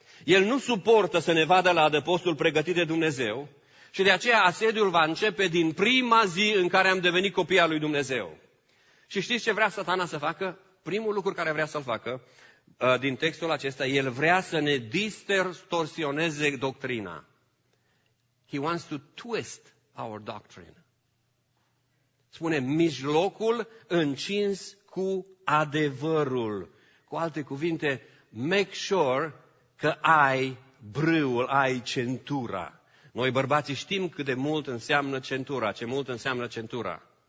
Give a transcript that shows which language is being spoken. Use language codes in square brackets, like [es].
[ro] El nu suportă să ne vadă la adăpostul pregătit de Dumnezeu și de aceea asediul va începe din prima zi în care am devenit copii al lui Dumnezeu. Și știți ce vrea Satana să facă? Primul lucru care vrea să-l facă din textul acesta, el vrea să ne distorsioneze doctrina. [en] He wants to twist our doctrine. [ro] Spune, mijlocul încins cu adevărul. Cu alte cuvinte, [en] make sure [ro] că ai brâul, ai centura. Noi bărbații știm cât de mult înseamnă centura, ce mult înseamnă centura.